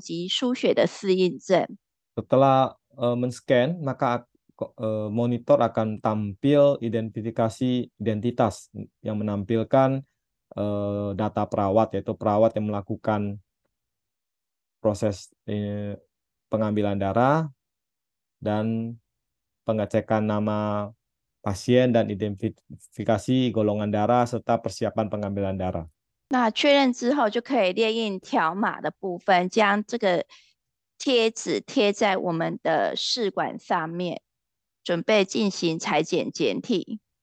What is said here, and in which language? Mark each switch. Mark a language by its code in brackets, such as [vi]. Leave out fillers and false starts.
[zh] 确认病人身份之后，系统会跳出一个画面，就是要有采血的护理师跟核对的护理师两个人，那要确认病人的基本资料、血型、备血的项目及输血的适应症。 [id] Setelah men-scan, maka monitor akan tampil identifikasi identitas yang menampilkan data perawat, yaitu perawat yang melakukan proses pengambilan darah dan pengecekan nama pasien dan identifikasi golongan darah serta persiapan pengambilan darah. [zh] 那确认之后就可以列印条码的部分，将这个贴纸贴在我们的试管上面，准备进行裁剪检体。